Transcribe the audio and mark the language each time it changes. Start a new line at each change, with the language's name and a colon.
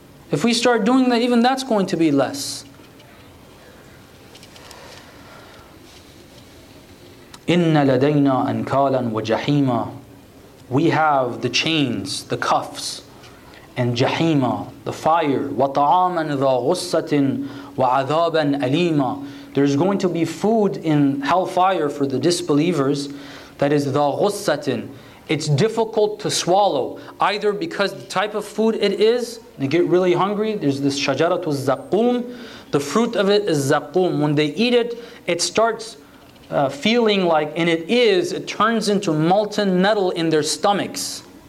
English: If we start doing that, even that's going to be less.
Arabic: إِنَّ لَدَيْنَا أَنْكَالًا وَجَحِيمًا.
English: We have the chains, the cuffs, and jahima, the fire.
Arabic: وَطَعَامًا ذَا غُصَّةٍ وَعَذَابًا أَلِيمًا.
English: There's going to be food in hellfire for the disbelievers. That is the ghussatin. It's difficult to swallow. Either because the type of food it is, they get really hungry. There's this shajaratu zakum. The fruit of it is zakum. When they eat it, it starts feeling like, and it turns into molten metal in their stomachs.